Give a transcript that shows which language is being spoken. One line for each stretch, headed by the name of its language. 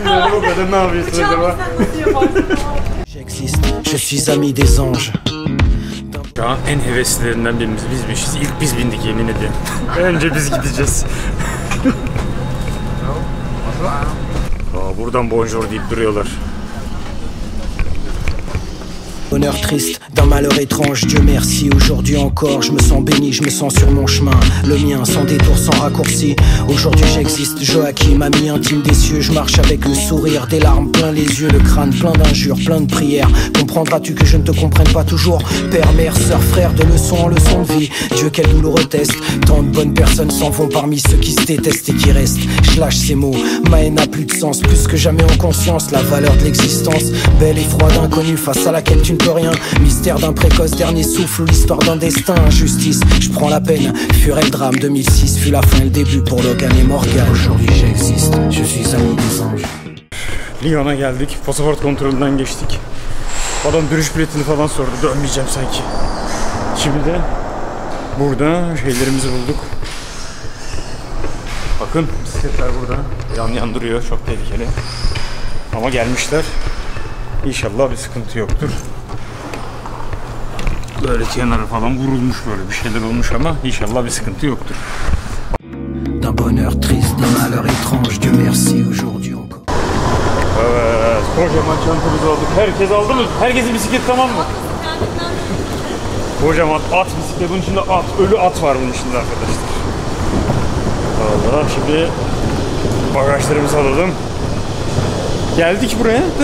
Turkish: Böyle bu kadar ne yapıyorsun acaba? Sen nasıl yaparsın?
French: Je suis ami des anges.
Turkish: Şu an en heveslilerinden birimiz bizmişiz. İlk biz bindik yemin ediyorum. Önce biz gideceğiz. Aa, buradan bonjour deyip duruyorlar.
French: Bonheur triste dans malheur étrange Dieu merci aujourd'hui encore je me sens béni je me sens sur mon chemin le mien sans détour sans raccourci aujourd'hui j'existe Joachim ami intime des cieux je marche avec le sourire des larmes plein les yeux le crâne plein d'injures plein de prières comprendras-tu que je ne te comprenne pas toujours père mère sœur frère de leçon en leçon de vie Dieu quel douloureux test tant de bonnes personnes s'en vont parmi ceux qui se détestent et qui restent je lâche ces mots ma haine n'a plus de sens plus que jamais en conscience la valeur de l'existence belle et froide inconnue face à laquelle tu ne peux rien, mystère d'un précoce dernier souffle, l'histoire d'un destin, injustice, je prends la peine, furet le drame, 2006 fut la fin, le début pour Logan et Morgan. Aujourd'hui j'existe, je suis ami des anges.
Turkish: Lyon'a geldik, pasaport kontrolünden geçtik. Adam dönüş biletini falan sordu, dönmeyeceğim sanki. Şimdi de burada şeylerimizi bulduk. Bakın bisikletler burada, yan duruyor, çok tehlikeli. Ama gelmişler. İnşallah bir sıkıntı yoktur. Böyle kenara falan vurulmuş böyle bir şeyler olmuş ama inşallah bir sıkıntı yoktur.
French: D'un bonheur triste, d'un malheur étrange, Dieu merci aujourd'hui encore.
Turkish: Evet, kocaman çantamızı aldık. Herkes aldı mı? Herkesin bisikleti tamam mı? Kocaman at bisikleti. Bunun içinde at, ölü at var bunun içinde arkadaşlar. Vallahi şimdi bagajlarımızı alalım. Geldik buraya.